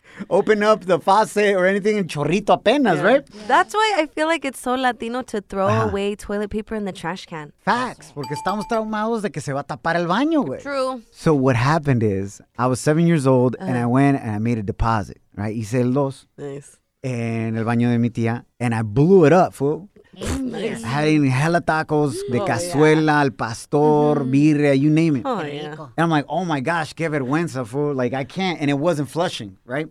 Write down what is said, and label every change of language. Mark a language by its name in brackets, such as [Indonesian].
[English] Open up the faucet or anything in [Spanish] chorrito apenas, [English] right? That's why I feel like it's so Latino to throw away toilet paper in the trash can. [Spanish] Facts, porque estamos traumados de que se va a tapar el baño, güey. [English] True. So what happened is, I was 7 years old and I went and I made a deposit, right? [Spanish] Hice el dos. [English] Nice. [Spanish] En el baño de mi tía [English] and I blew it up, fool. Nice. I had eating hella [Spanish] tacos de cazuela, [English] al pastor, birria, you name it. Oh, yeah. And I'm like, oh my gosh, [Spanish] qué vergüenza, [English] fool. Like, I can't. And it wasn't flushing, right?